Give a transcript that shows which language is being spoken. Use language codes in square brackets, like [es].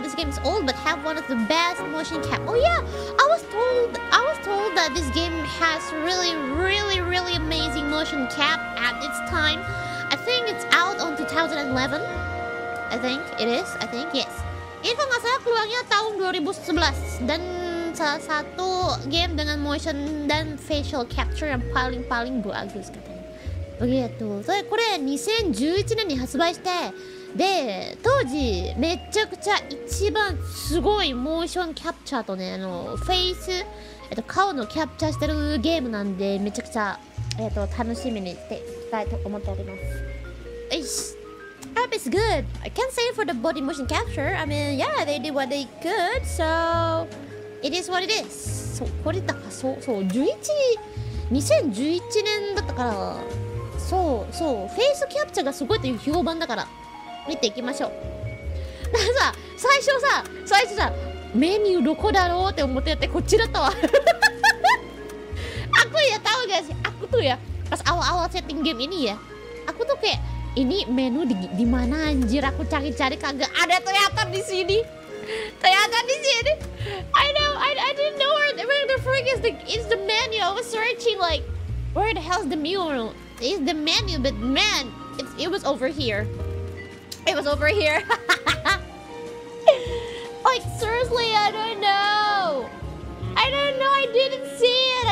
[en] This game is old, but have one of the best motion cap. Oh yeah, I was told that this game has really, really, really amazing motion cap at its time. I think it's out on 2011. I think, yes. [id] Info nggak salah keluarnya tahun 2011. Dan salah satu game dengan motion dan facial capture yang paling-paling bagus, katanya. Begitu. [ja] それこれ2011年に発売して、で、当時めちゃくちゃ一番すごいモーションキャプチャーとね、フェイス、顔のキャプチャーしてるゲームなんで、めちゃくちゃ、楽しみにしていきたいと思っております。 [en] よし。App is good. I can't say for the body motion capture. I mean, yeah, they did what they could, so it is what it is. [ja] そう、これだから、そう、2011年だったから、そうそう、フェイスキャプチャーがすごいという評判だから見ていきましょう。だからさ、最初さ、メニューどこだろうって思ってやって、こっちだったわ。 [id] aku ya tahu gak sih, aku tuh ya pas awal-awal setting game ini ya, aku tuh kayak ini menu di mana anjir, aku cari-cari kagak ada, ternyata di sini. Ternyata di sini. [en] I know, I didn't know where the freak is, it's the menu. I was searching like where the hell's the menu? It's the menu, but man, it was over here. It was over here. Like seriously, I don't know. I don't know, I didn't see it.